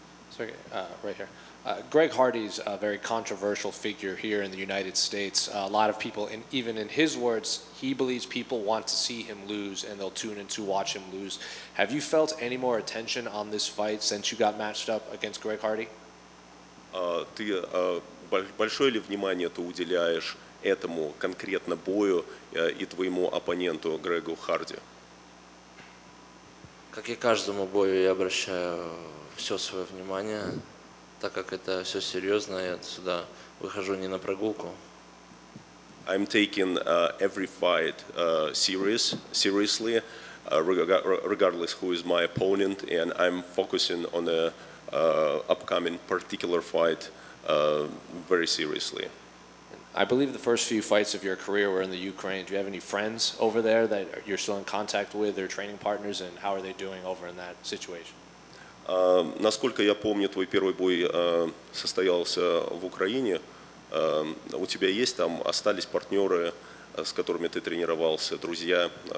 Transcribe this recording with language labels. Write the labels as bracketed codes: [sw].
[en] Sorry, right here. Greg Hardy's a very controversial figure here in the United States. A lot of people, and even in his words, he believes people want to see him lose and they'll tune in to watch him lose. Have you felt any more attention on this fight since you got matched up against Greg Hardy? [ru] Ты большое ли внимание ты уделяешь этому конкретно бою и твоему оппоненту Грегу Харди? Как и каждому бою, я обращаю все свое внимание. Так как это все серьезно, я сюда выхожу не на прогулку. [en] I'm taking every fight seriously, regardless who is my opponent, and I'm focusing on the upcoming particular fight very seriously. I believe the first few fights of your career were in the Ukraine. Do you have any friends over there that you're still in contact with, or training partners, and how are they doing over in that situation? [ru] Насколько я помню, твой первый бой состоялся в Украине. У тебя есть там, остались партнеры, с которыми ты тренировался, друзья?